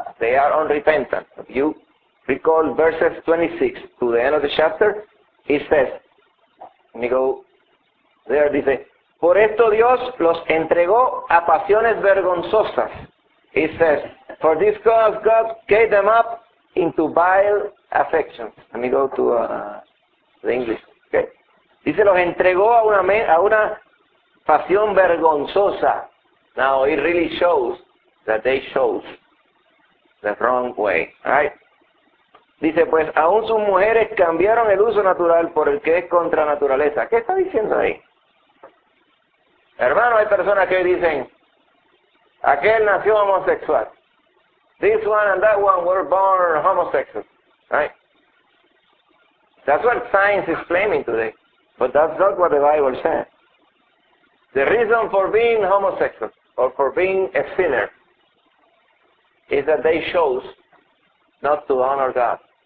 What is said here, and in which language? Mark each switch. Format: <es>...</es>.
<en>They are unrepentant. If you recall verses 26 to the end of the chapter, he says, let me go there, he says, por esto Dios los entregó a pasiones vergonzosas. He says, for this cause God gave them up into vile affections. Let me go to the English. Okay.</en> <es>Dice, los entregó a una pasión vergonzosa.</es> <en>Now, it really shows that they chose the wrong way. Right?</en> <es>Dice, pues, aún sus mujeres cambiaron el uso natural por el que es contra naturaleza. ¿Qué está diciendo ahí? Hermano, hay personas que dicen, aquel nació homosexual.</es> <en>This one and that one were born homosexual. Right? That's what science is claiming today. But that's not what the Bible says. The reason for being homosexual or for being a sinner is that they chose not to honor God.</en>